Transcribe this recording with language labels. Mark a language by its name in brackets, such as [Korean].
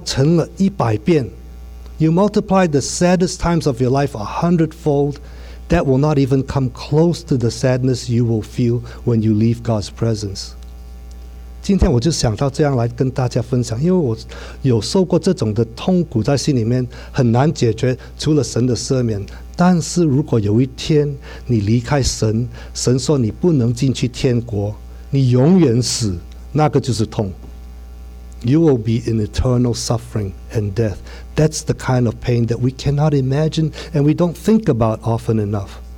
[Chinese] 如果你想到你难过的、你失去的、你痛苦的、孩子不听话或者父母没有给你足够的爱，任何的事情，你把这些最痛苦的时间把它乘了100遍。You [English] multiply the saddest times of your life 100-fold, that will not even come close to the sadness you will feel when you leave God's presence. [Chinese] 今天我就想到这样来跟大家分享，因为我有受过这种的痛苦在心里面，很难解决，除了神的赦免。但是如果有一天你离开神，神说你不能进去天国，你永远死，那个就是痛。You [English] will be in eternal suffering and death. That's the kind of pain that we cannot imagine and we don't think about often enough.